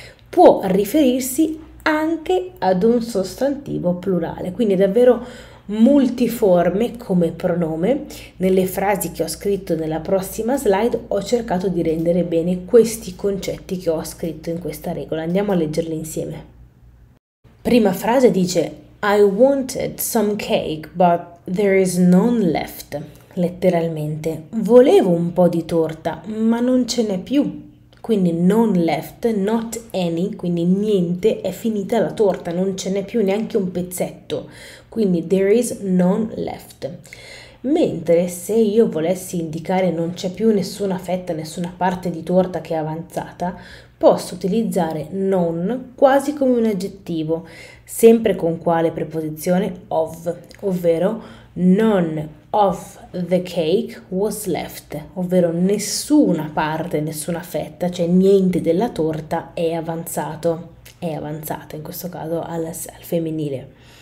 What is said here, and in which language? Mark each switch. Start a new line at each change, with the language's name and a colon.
Italian: Può riferirsi anche ad un sostantivo plurale, quindi è davvero multiforme come pronome. Nelle frasi che ho scritto nella prossima slide ho cercato di rendere bene questi concetti che ho scritto in questa regola. Andiamo a leggerli insieme. Prima frase dice
English: I wanted some cake, but there is none left.
Italian: Letteralmente, volevo un po' di torta, ma non ce n'è più. Quindi
English: none left, not any,
Italian: quindi niente, è finita la torta, non ce n'è più neanche un pezzetto. Quindi
English: there is none left.
Italian: Mentre se io volessi indicare non c'è più nessuna fetta, nessuna parte di torta che è avanzata, posso utilizzare non quasi come un aggettivo, sempre con quale preposizione? Of, ovvero
English: none of the cake was left,
Italian: ovvero nessuna parte, nessuna fetta, cioè niente della torta è avanzato, è avanzata in questo caso al femminile.